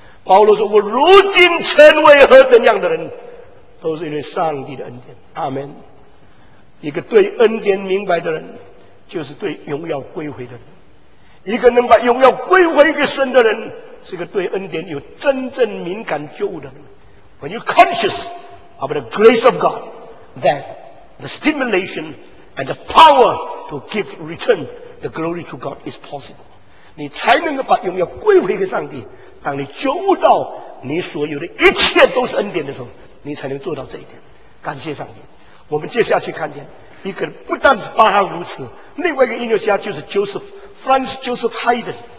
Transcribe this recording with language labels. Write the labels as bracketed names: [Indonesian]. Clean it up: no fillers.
[Chinese] 保罗说，我如今成为何等样的人，都是因为上帝的恩典。阿们。一个对恩典明白的人，就是对荣耀归回的人。一个能把荣耀归回给神的人，是一个对恩典有真正敏感觉悟的人。 [English] When you're conscious of the grace of God, then the stimulation and the power to give return the glory to God is possible. [Chinese] 你才能够把荣耀归回给上帝。当你觉悟到你所有的一切都是恩典的时候，你才能做到这一点。感谢上帝。我们接下去看见一个，不但是巴哈如此，另外一个音乐家就是 Franz Joseph Haydn。